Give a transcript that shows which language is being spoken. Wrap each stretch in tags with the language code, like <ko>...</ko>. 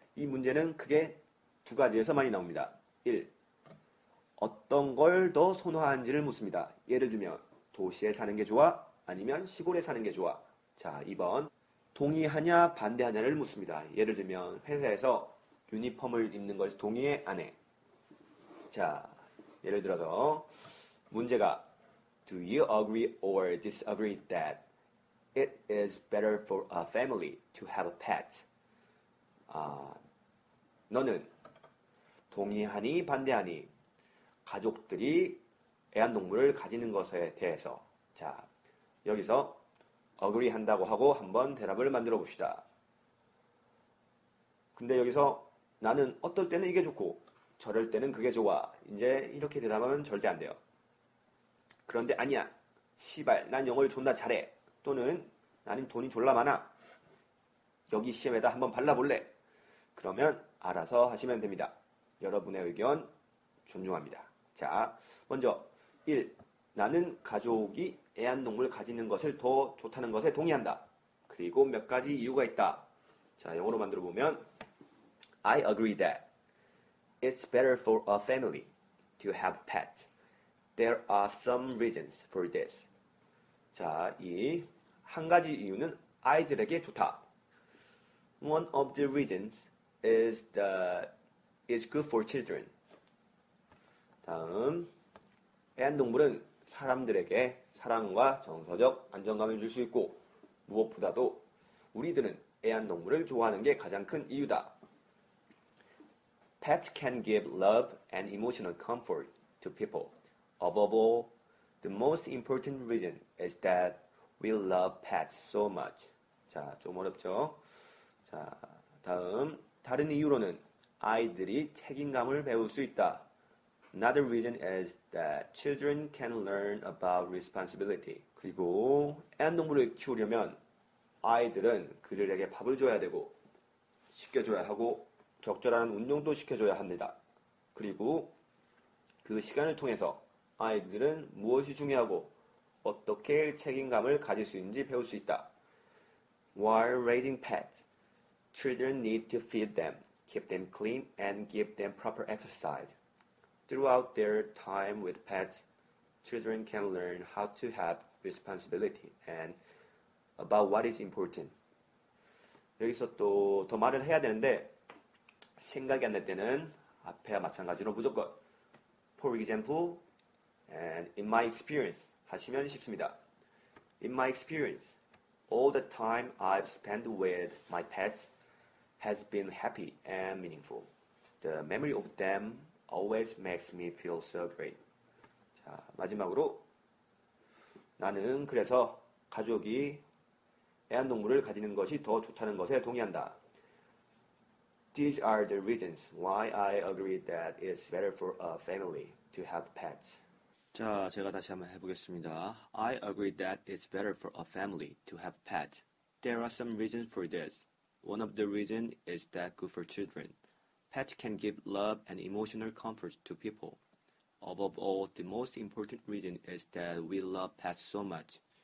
<ko>이 문제는 크게 두 가지에서 많이 나옵니다. 1. 어떤 걸 더 선호하는지를 묻습니다. 예를 들면 도시에 사는 게 좋아? 아니면 시골에 사는 게 좋아? 자, 2번. 동의하냐 반대하냐를 묻습니다. 예를 들면 회사에서 유니폼을 입는 걸 동의해? 안 해? 자, 예를 들어서 문제가</ko> <en>Do you agree or disagree that it is better for a family to have a pet?</en> <ko>아, 너는 동의하니 반대하니 가족들이 애완동물을 가지는 것에 대해서. 자, 여기서 agree 한다고 하고 한번 대답을 만들어 봅시다. 근데 여기서 나는 어떨 때는 이게 좋고 저럴 때는 그게 좋아. 이제 이렇게 대답하면 절대 안 돼요. 그런데 아니야. 시발, 난 영어를 존나 잘해. 또는 나는 돈이 졸라 많아. 여기 시험에다 한번 발라볼래. 그러면 알아서 하시면 됩니다. 여러분의 의견 존중합니다. 자, 먼저 1. 나는 가족이 애완동물 가지는 것을 더 좋다는 것에 동의한다. 그리고 몇 가지 이유가 있다. 자, 영어로 만들어 보면</ko> <en>I agree that it's better for a family to have pets. There are some reasons for this.</en> <ko>자, 이 한 가지 이유는 아이들에게 좋다.</ko> <en>One of the reasons is that it's good for children.</en> <ko>다음, 애완동물은 사람들에게 사랑과 정서적 안정감을 줄 수 있고 무엇보다도 우리들은 애완동물을 좋아하는 게 가장 큰 이유다.</ko> <en>Pets can give love and emotional comfort to people. Above all, the most important reason is that we love pets so much.</en> <ko>자, 좀 어렵죠? 자, 다음, 다른 이유로는 아이들이 책임감을 배울 수 있다. Another reason is that children can learn about responsibility. 그리고 애완동물을 키우려면 아이들은 그들에게 밥을 줘야 되고 씻겨줘야 하고 적절한 운동도 시켜줘야 합니다. 그리고 그 시간을 통해서 아이들은 무엇이 중요하고 어떻게 책임감을 가질 수 있는지 배울 수 있다.</ko> <en>While raising pets, children need to feed them, keep them clean, and give them proper exercise. Throughout their time with pets, children can learn how to have responsibility and about what is important.</en> <ko>여기서 또 더 말을 해야 되는데 생각이 안 날 때는 앞에 마찬가지로 무조건</ko> <en>For example, and in my experience</en> <ko>하시면 쉽습니다.</ko> <en>In my experience, all the time I've spent with my pets has been happy and meaningful. The memory of them always makes me feel so great.</en> <ko>자, 마지막으로 나는 그래서 가족이 애완동물을 가지는 것이 더 좋다는 것에 동의한다.</ko> <en>These are the reasons why I agree that it's better for a family to have pets.</en> <ko>자, 제가 다시 한번 해보겠습니다.</ko> <en>I agree that it's better for a family to have pets. There are some reasons for this. One of the reasons is that good for children. Pets can give love and emotional comfort to people. Above all, the most important reason is that we love pets so much.</en>